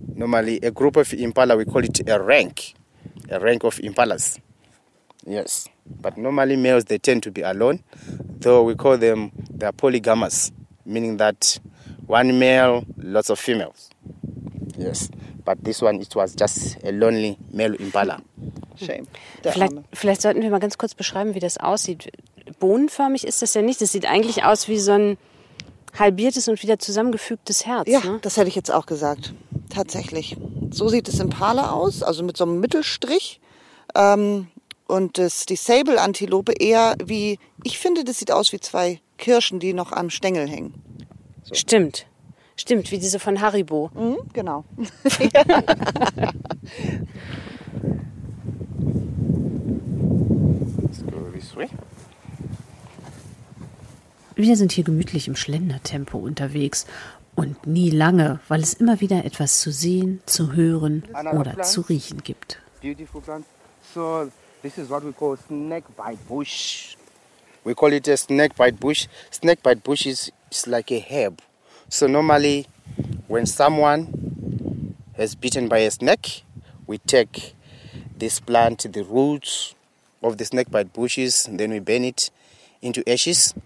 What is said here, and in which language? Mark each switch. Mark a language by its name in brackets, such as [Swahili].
[English] Normally a group of impala, we call it a rank of impalas. Yes, but normally males, they tend to be alone, though we call them they are polygamous, meaning that one male, lots of females. Yes, but this one, it was just a lonely male impala. Shame. [German] Vielleicht sollten wir mal ganz kurz beschreiben, wie das aussieht. Bohnenförmig ist das ja nicht. Das sieht eigentlich aus wie so ein halbiertes und wieder zusammengefügtes Herz. Ja, ne? Das hätte ich jetzt auch gesagt. Tatsächlich. So sieht es im Pala aus, also mit so einem Mittelstrich. Und die Sable-Antilope eher wie, ich finde, das sieht aus wie zwei Kirschen, die noch am Stängel hängen. So. Stimmt, wie diese von Haribo. Mhm, genau. [English] Let's go this way. [German] Wir sind hier gemütlich im Schlendertempo unterwegs und nie lange, weil es immer wieder etwas zu sehen, zu hören oder zu riechen gibt. [English] Beautiful plants. So, This is what we call snake bite bush. We call it a snake bite bush. Snake bite bush is like a herb. So normally, when someone has bitten by a snake, we take this plant, the roots of the snake bite bushes, and then we burn it into ashes.